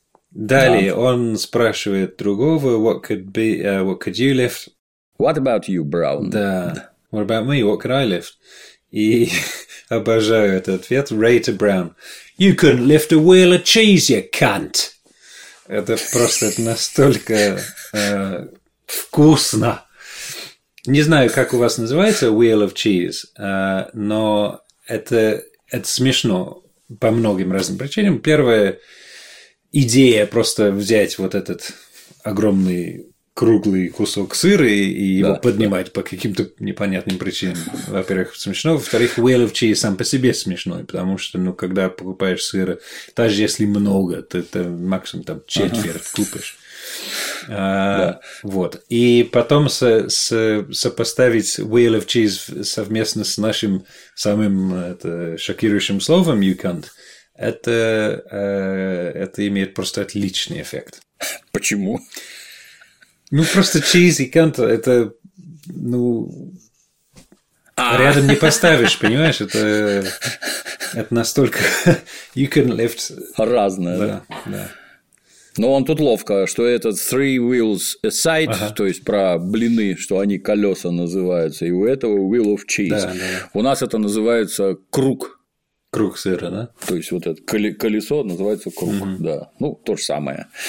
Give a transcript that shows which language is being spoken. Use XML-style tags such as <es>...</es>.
<ru>Далее он спрашивает другого:</ru> <en>what could be, what could you lift? What about you, Brown?</en> <ru>Да.</ru> <en>What about me? What could I lift?</en> <ru>И обожаю этот ответ.</ru> <en>Rater Brown. You couldn't lift a wheel of cheese, you cunt.</en> <ru>Это просто настолько вкусно. Не знаю, как у вас называется Wheel of Cheese, но это смешно по многим разным причинам. Первая идея – просто взять вот этот огромный круглый кусок сыра и его поднимать по каким-то непонятным причинам. Во-первых, смешно. Во-вторых, Wheel of Cheese сам по себе смешной, потому что, ну, когда покупаешь сыра, даже если много, то это максимум там четверть купишь. Вот. И потом сопоставить Wheel of Cheese совместно с нашим самым шокирующим словом</ru> <en>«you can't»,</en> <ru>это имеет просто отличный эффект. Почему? Ну, просто cheese и can't – это, ну, рядом не поставишь, понимаешь? Это настолько</ru> <en>«you can lift».</en> <ru>Разное, да. Да. Но он тут ловко, что это</ru> <en>three wheels aside,</en> <ru>то есть про блины, что они колеса называются, и у этого wheel of cheese. Да, да. У нас это называется круг. Круг сыра, да? То есть вот это колесо называется круг, да. Ну, то же самое.</ru>